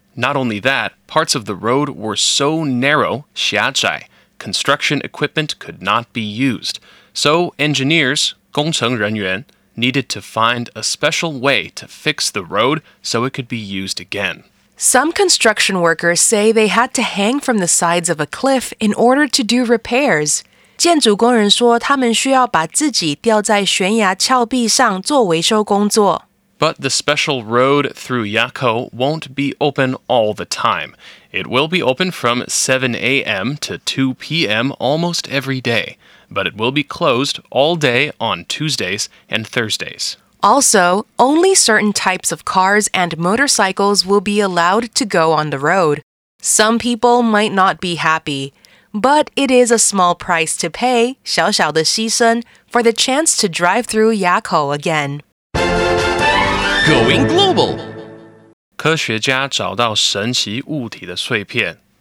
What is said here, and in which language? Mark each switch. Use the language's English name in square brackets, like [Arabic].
[English] Not only that, parts of the road were so narrow, 狭窄, construction equipment could not be used. So engineers, 工程人员, needed to find a special way to fix the road so it could be used again. Some construction workers say they had to hang from the sides of a cliff in order to do repairs. [Chinese] 建筑工人说他们需要把自己吊在悬崖峭壁上做维修工作。 [English] But the special road through Yako won't be open all the time. It will be open from 7 a.m. to 2 p.m. almost every day, but it will be closed all day on Tuesdays and Thursdays. Also, only certain types of cars and motorcycles will be allowed to go on the road. Some people might not be happy, but it is a small price to pay, 小小的牺牲, for the chance to drive through Yako again. Going global. [Chinese] 科学家找到神奇物体的碎片。